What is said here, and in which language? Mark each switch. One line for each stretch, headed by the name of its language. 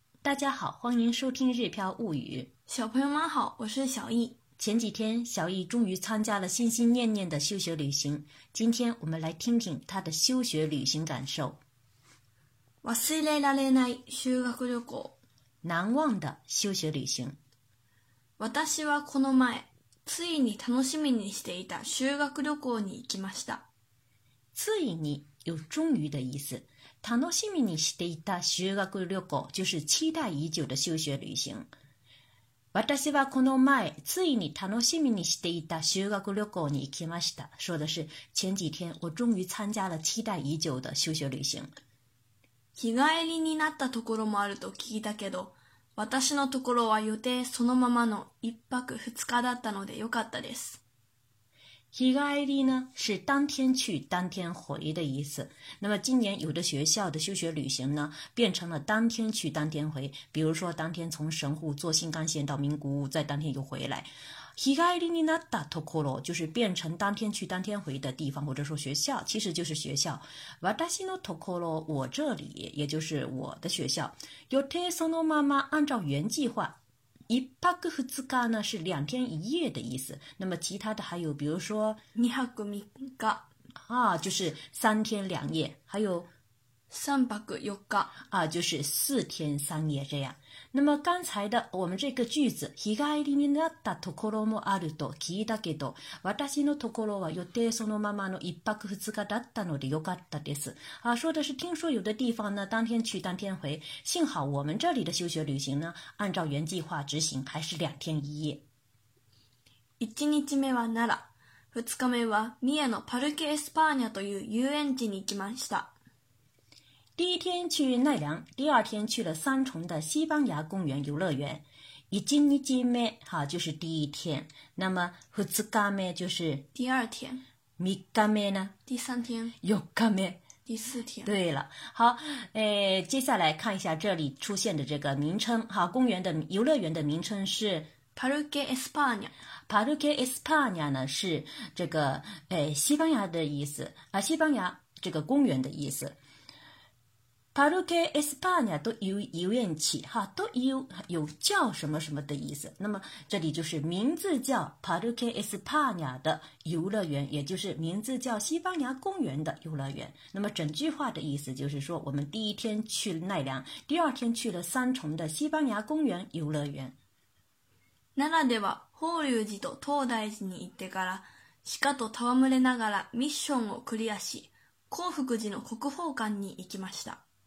Chinese: 大家好，欢迎收听日漂物语。小朋友们好，我是小易。前几天，小易终于参加了心心念念的休学旅行。今天我们来听听他的休学旅行感受。
Japanese: 忘れられない修学旅行。
Chinese: 难忘的休学旅行。
Japanese: 私はこの前、ついに楽しみにしていた修学旅行に行きました。
Chinese: ついに有终于的意思。
Japanese: 楽しみにしていた修学旅行
Chinese: 就是期待已久的休学旅行。
Japanese: 私はこの前、ついに楽しみにしていた修学旅行に行きました。
Chinese: 说的是前几天我终于参加了期待已久的休学旅行。
Japanese: 日帰りになったところもあると聞いたけど、私のところは予定そのままの一泊二日だったのでよかったです。
Chinese: 日帰り呢是当天去当天回的意思。那么今年有的学校的休学旅行呢变成了当天去当天回。比如说当天从神户坐新干线到名古屋再当天就回来。
Japanese: 日帰りになったところ
Chinese: 就是变成当天去当天回的地方或者说学校其实就是学校。
Japanese: 私のところ
Chinese: 我这里也就是我的学校。
Japanese: 予定そのまま
Chinese: 按照原计划。一泊二日呢是两天一夜的意思，那么其他的还有，比如说
Japanese: 二泊三日
Chinese: 啊，就是三天两夜，还有
Japanese: 三泊四日
Chinese: 啊，就是四天三夜这样。那么刚才的我们这个句子，
Japanese: 日帰りになったところもあると聞いたけど、私のところは予定そのままの一泊二日だったのでよかったです。
Chinese: 啊，说的是听说有的地方呢，当天去当天回，幸好我们这里的休学旅行呢，按照原计划执行，还是两天一夜。
Japanese: 一日目は奈良、二日目は三重のパルケエスパーニャという遊園地に行きました。
Chinese: 第一天去奈良，第二天去了三重的西班牙公园游乐园。一日目哈就是第一天，那么二日目就是第二天，三日目呢？第三天，四日目第四天。对了，好，接下来看一下这里出现的这个名称哈，公园的游乐园的名称是。
Spanish: Parque España。
Chinese: Parque España 呢是这个西班牙的意思啊，西班牙这个公园的意思。
Japanese: Parque España という遊園地
Chinese: 哈，有叫什么什么的意思。那么这里就是名字叫 Parque España 的游乐园，也就是名字叫西班牙公园的游乐园。那么整句话的意思就是说，我们第一天去了奈良，第二天去了三重的西班牙公园游乐园。
Japanese: 奈良では法隆寺と東大寺に行ってから、鹿と戯れながらミッションをクリアし、興福寺の国宝館に行きました。